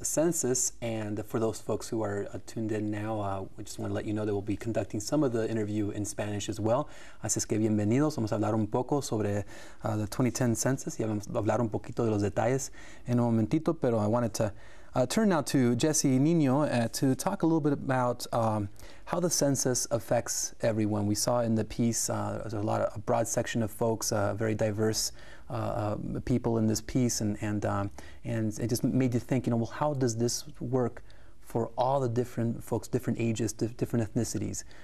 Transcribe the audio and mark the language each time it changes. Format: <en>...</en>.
<en>Census, and for those folks who are tuned in now, we just want to let you know that we'll be conducting some of the interview in Spanish as well.</en> <es>Así es que bienvenidos. Vamos a hablar un poco sobre</es> <en>the 2010 Census.</en> <es>Y vamos a hablar un poquito de los detalles en un momentito.</es> <en>Pero I wanted to turn now to Jesse Nino to talk a little bit about how the census affects everyone. We saw in the piece there's a broad section of folks, very diverse. People in this piece, and it just made you think, you know, well, how does this work for all the different folks, different ages, different ethnicities?</en>